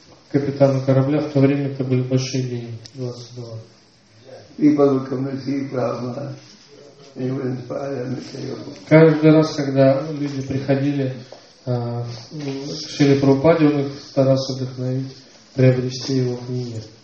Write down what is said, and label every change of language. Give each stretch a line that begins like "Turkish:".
Russian: Капитану корабля, в то время это были большие деньги.
English: $20. People would come to see Prabhupada. They would inspire them to say,
Russian: каждый раз, когда люди приходили к Шри Прабхупаде, он их старался вдохновить, приобрести его книги.